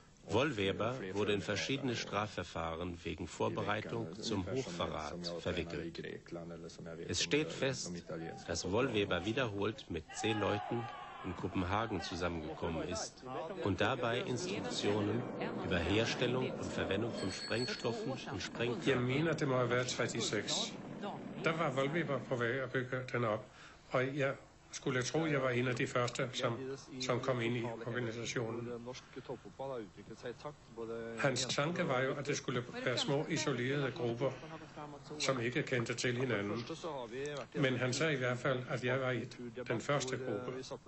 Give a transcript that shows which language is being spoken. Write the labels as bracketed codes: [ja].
[de] Wohlweber wurde in verschiedene Strafverfahren wegen Vorbereitung zum Hochverrat verwickelt. Es steht fest, dass Wohlweber wiederholt mit 10 Leuten in Kopenhagen zusammengekommen ist und dabei Instruktionen über Herstellung und Verwendung von Sprengstoffen und Sprengkörpern. [da] Jeg mener, det må have været 36. Der var Wohlweber på vej at bygge den op, og jeg [sv] skulle jag tro att jag var en av de första som kom in i organisationen. Hans tanke var ju att det skulle vara små isolerade grupper som inte kände till henne. Men han sa i alla fall att jag var i den första gruppen.